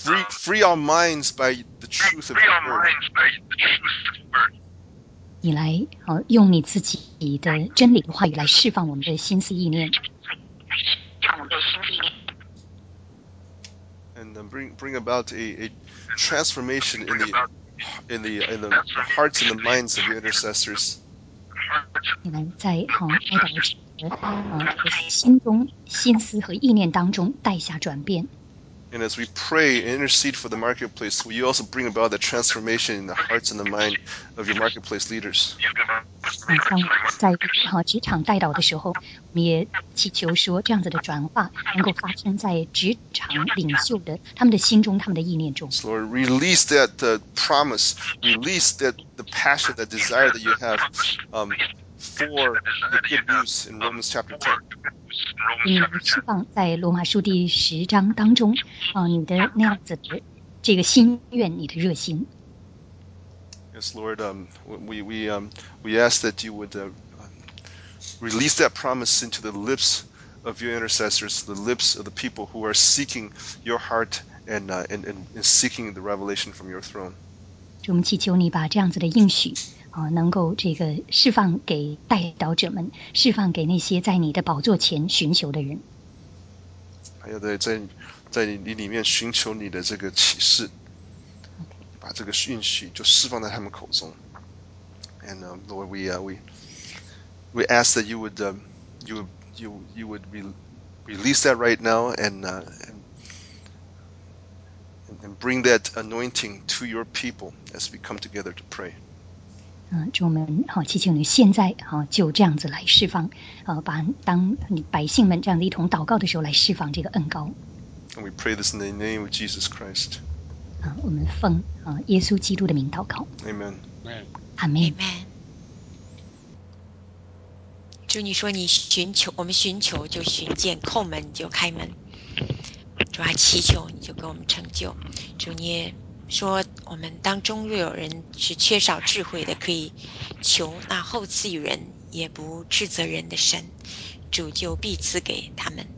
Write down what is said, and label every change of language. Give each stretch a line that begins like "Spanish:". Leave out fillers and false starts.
English: Free our minds by the truth of your word.
Chinese: 你来好用你自己的真理的话语来释放我们的心思意念。
English: And bring about a transformation in the hearts and the minds of your intercessors.
Chinese: 你们在代祷者心中心思和意念当中带下转变。
English: And as we pray and intercede for the marketplace, will you also bring about the transformation in the hearts and the mind of your marketplace leaders?
Chinese: 在职场代祷的时候，我们也祈求说这样子的转化能够发生在职场领袖的他们的心中、他们的意念中。
English: Lord, release that promise, release that the passion, that desire that you have for the good news in Romans chapter 10.
Chinese: 你释放在罗马书第十章当中，你的那样子的这个心愿，你的热心。
English: Yes, Lord, we ask that you would release that promise into the lips of your intercessors, the lips of the people who are seeking your heart and seeking the revelation from your throne.
Chinese: 我们祈求你把这样子的应许。能够这个释放给代祷者们，释放给那些在你的宝座前寻求的人。还有在你里面寻求你的这个启示，
English: okay.
Chinese: 把这个应许就释放在他们口中。
English: And Lord, we ask that you would release that right now and bring that anointing to your people as we come together to pray.
Chinese: 主，我们祈求你现在就这样子来释放，把当你百姓们这样的一同祷告的时候来释放这个恩膏。
English: And we pray this in the name of Jesus Christ.
Chinese: 我们奉耶稣基督的名祷告。
English: Amen. Amen. Amen.
Chinese: 主，你说你寻求，我们寻求就寻见，叩门就开门。主啊，祈求你就给我们成就。主，你也说我们当中若有人是缺少智慧的，可以求那后赐予人也不斥责人的神，主就必赐给他们。